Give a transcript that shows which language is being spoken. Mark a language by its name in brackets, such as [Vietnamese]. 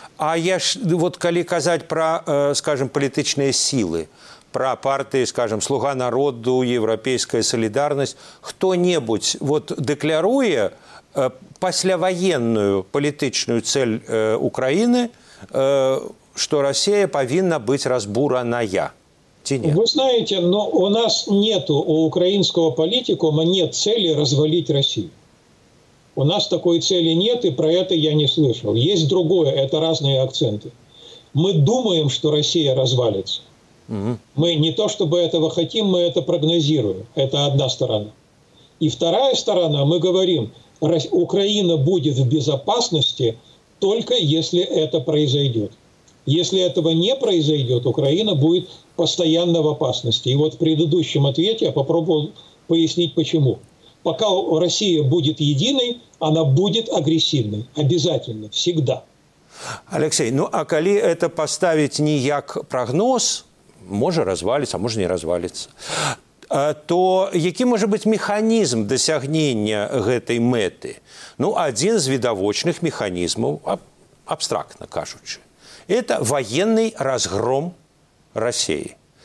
[Ukrainian] А я ж, от коли казати про, скажімо, політичні сили, про партії, скажімо, «Слуга народу», «Європейська солідарність», хто-небудь от декларує післявоєнну політичну ціль України, що Росія повинна бути розбурена? Чи ні? Ви знаєте, ну, у нас нету, у українського політикума нет цілі розвалити Росію. У нас такої цілі нет, і про це я [Russian] не слышав. [Ukrainian] Є другое, це різні акценти. Ми думаємо, що Росія розвалиться. [Russian] Мы не то, чтобы этого хотим, мы это прогнозируем. Это одна сторона. И вторая сторона, мы говорим, Украина будет в безопасности только если это произойдет. Если этого не произойдет, Украина будет постоянно в опасности. И вот в предыдущем ответе я попробовал пояснить почему. Пока Россия будет единой, она будет агрессивной. Обязательно. Всегда. [Ukrainian] Алексей, ну а коли это поставить не як прогноз, може розвалиться, а може не розвалиться, то який може бути механізм досягнення цієї мети? Ну, один з відовочних механізмів, абстрактно кажучи, це воєнний розгром Росії.